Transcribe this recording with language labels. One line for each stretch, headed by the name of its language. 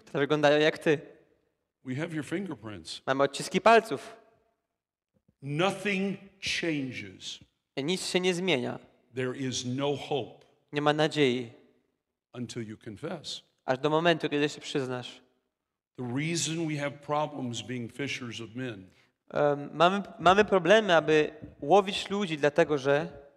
Polish: To wyglądają jak ty.
English: We have your fingerprints.
Polish: Mamy odciski palców.
English: Nothing changes.
Polish: I nic się nie zmienia.
English: There is no hope.
Polish: Nie ma nadziei.
English: Until you confess.
Polish: Aż do momentu, kiedy się przyznasz.
English: The reason we have problems being fishers of men.
Polish: Mamy problemy, aby łowić ludzi, dlatego że